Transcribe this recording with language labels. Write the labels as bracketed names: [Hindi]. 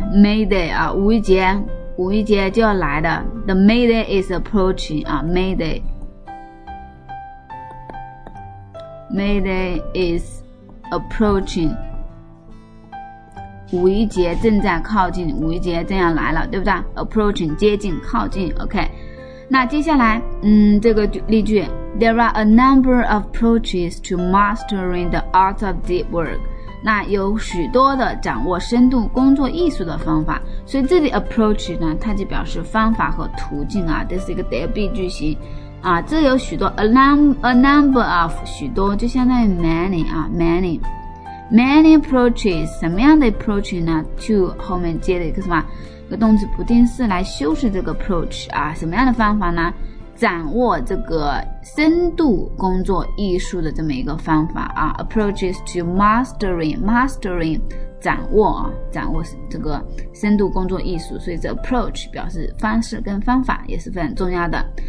[Chinese] May Day 啊，五一节就要来的， [English] The May Day is approaching [Chinese] 啊， May Day， [English] May Day is approaching， [Chinese] 五一节正在靠近，五一节正要来了，对不对？ Approaching 接近靠近。 [English] OK， [Chinese] 那接下来这个例句， [English] There are a number of approaches to mastering the art of deep work。 [Chinese] 那有许多的掌握深度工作艺术的方法，所以这里 approach 呢它就表示方法和途径啊，这是一个 there be 句型啊。这有许多 a number of 许多就相当于 many 啊， many many approaches。什么样的 approach 呢？to 后面接了一个什么，一个动词不定式来修饰这个 approach 啊。什么样的方法呢？掌握这个深度工作艺术的这么一个方法啊， approaches to mastering 掌握这个深度工作艺术，所以这 approach 表示方式跟方法，也是非常重要的。